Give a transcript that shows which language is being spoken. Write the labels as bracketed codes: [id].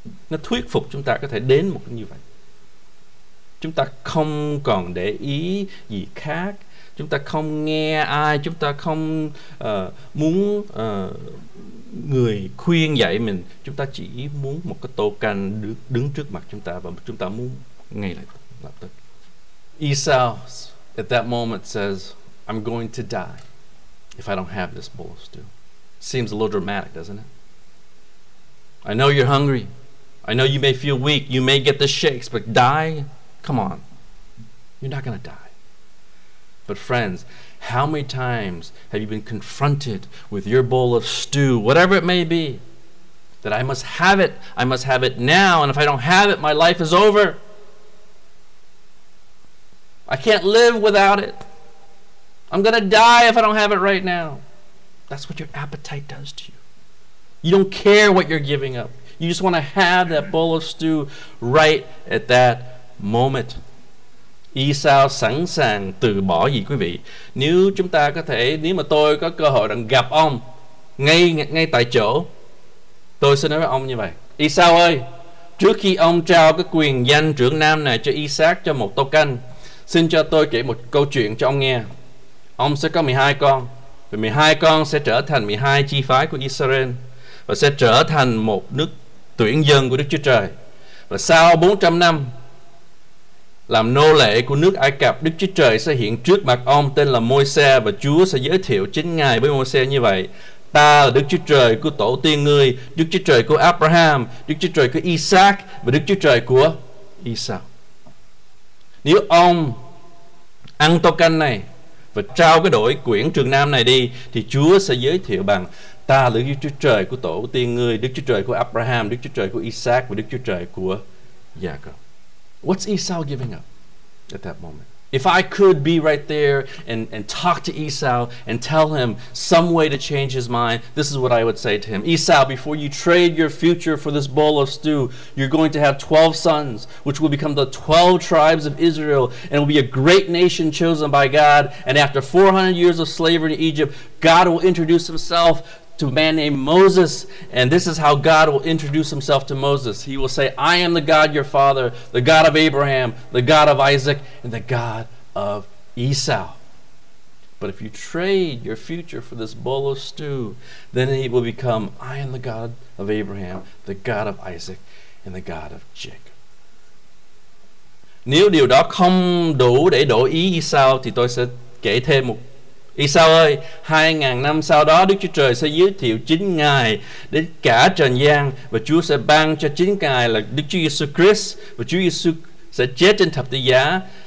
[vi] Nó thuyết phục chúng ta có thể đến một cái như vậy. Chúng ta không còn để ý gì khác, chúng ta không nghe ai, chúng ta không muốn người khuyên dạy mình. Chúng ta chỉ muốn một cái tô canh đứng trước mặt chúng ta, và chúng ta muốn ngay lập tức. [en] Esau at that moment says, I'm going to die if I don't have this bowl of stew. Seems a little dramatic, doesn't it? I know you're hungry. I know you may feel weak. You may get the shakes, but die? Come on. You're not going to die. But friends, how many times have you been confronted with your bowl of stew, whatever it may be, that I must have it, I must have it now, and if I don't have it, my life is over. I can't live without it. I'm going to die if I don't have it right now. That's what your appetite does to you. You don't care what you're giving up. You just want to have that bowl of stew right at that moment. [vi] Esau sẵn sàng từ bỏ gì, quý vị? Nếu chúng ta có thể, nếu mà tôi có cơ hội được gặp ông ngay tại chỗ, tôi sẽ nói với ông như vậy: Esau ơi, trước khi ông trao cái quyền danh trưởng nam này cho Isaac, cho một tô canh, xin cho tôi kể một câu chuyện cho ông nghe. Ông sẽ có 12 con, và 12 con sẽ trở thành 12 chi phái của Israel, và sẽ trở thành một nước tuyển dân của Đức Chúa Trời. Và sau 400 năm làm nô lệ của nước Ai Cập, Đức Chúa Trời sẽ hiện trước mặt ông tên là Môi-se, và Chúa sẽ giới thiệu chính Ngài với Môi-se như vậy: Ta là Đức Chúa Trời của tổ tiên ngươi, Đức Chúa Trời của Abraham, Đức Chúa Trời của Isaac và Đức Chúa Trời của Esau. Nếu ông ăn tô canh này và trao cái đổi quyển Trường Nam này đi, thì Chúa sẽ giới thiệu bằng: Ta là Đức Chúa Trời của tổ tiên ngươi, Đức Chúa Trời của Abraham, Đức Chúa Trời của Isaac và Đức Chúa Trời của Jacob. [en] What's Esau giving up at that moment? If I could be right there and talk to Esau and tell him some way to change his mind, this is what I would say to him. Esau, before you trade your future for this bowl of stew, you're going to have 12 sons, which will become the 12 tribes of Israel, and will be a great nation chosen by God. And after 400 years of slavery in Egypt, God will introduce himself to a man named Moses, and this is how God will introduce himself to Moses. He will say, I am the God your father, the God of Abraham, the God of Isaac, and the God of Esau. But if you trade your future for this bowl of stew, then he will become, I am the God of Abraham, the God of Isaac, and the God of Jacob. [vi] Nếu điều đó không đủ để đổi ý Esau, thì tôi sẽ kể thêm một. Esau ơi, 2000 năm sau đó Đức Chúa Trời sẽ giới thiệu chính Ngài đến cả trần gian, và Chúa sẽ ban cho chính Ngài là Đức Chúa Giêsu Christ, và Chúa Giêsu sẽ chết trên thập tự giá